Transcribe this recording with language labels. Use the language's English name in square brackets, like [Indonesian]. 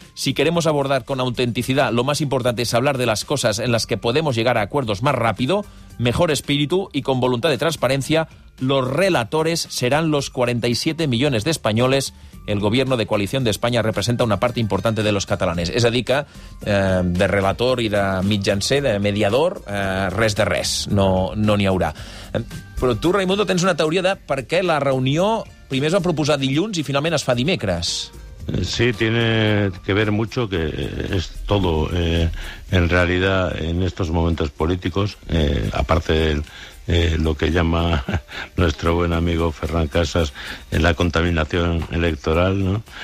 [Spanish] Si queremos abordar con autenticidad, lo más importante es hablar de las cosas en las que podemos llegar a acuerdos más rápido, mejor espíritu y con voluntad de transparencia. Los relatores serán los 47 millones de españoles. El gobierno de coalición de España representa una parte importante de los catalanes." [Catalan] És a dir que, de relator i de mitjancer, de mediador, res de res, no n'hi haurà. Però tu, Raimundo, tens una teoria de per què la reunió primer es va proposar dilluns i finalment es fa dimecres. [Spanish] Sí, tiene que ver mucho, que es todo, en realidad, en estos momentos políticos, aparte del lo que llama nuestro buen amigo Ferran Casas en la contaminación electoral, ¿no?